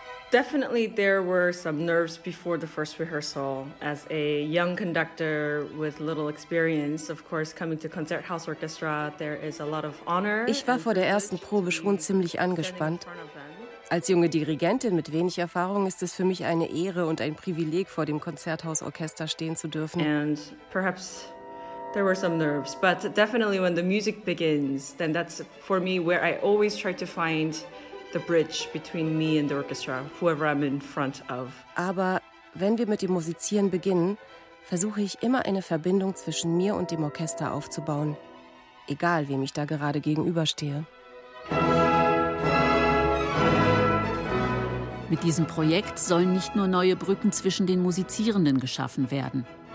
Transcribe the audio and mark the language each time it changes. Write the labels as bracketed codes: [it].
[en] Definitely there were some nerves before the first rehearsal. As a young conductor with little experience, of course, coming to Konzerthaus Orchestra, there is a lot of honor. [de] Ich war vor der ersten Probe schon ziemlich angespannt. Als junge Dirigentin mit wenig Erfahrung ist es für mich eine Ehre und ein Privileg, vor dem Konzerthausorchester stehen zu dürfen. [en] And perhaps there were some nerves, but definitely when the music begins, then that's for me where I always try to find the bridge between me and the orchestra, whoever I'm in front of. [de] Aber wenn wir mit dem Musizieren beginnen, versuche ich immer eine Verbindung zwischen mir und dem Orchester aufzubauen, egal wem ich da gerade gegenüberstehe. Mit diesem Projekt sollen nicht nur neue Brücken zwischen den Musizierenden geschaffen werden.